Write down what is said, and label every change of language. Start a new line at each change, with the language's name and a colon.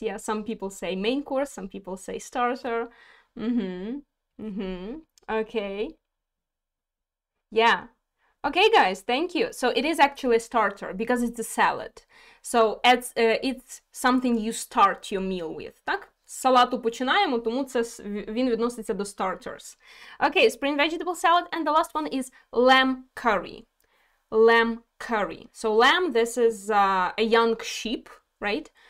English: Yeah, some people say main course, some people say starter. Mm-hmm. Mm-hmm. Okay. Yeah. Okay, guys, thank you. So it is actually a starter because it's a salad. So it's something you start your meal with,
Ukrainian: так? Салату починаємо, тому це він відноситься до starters.
English: Okay, spring vegetable salad, and the last one is lamb curry. Lamb curry. So lamb, this is a young sheep, right?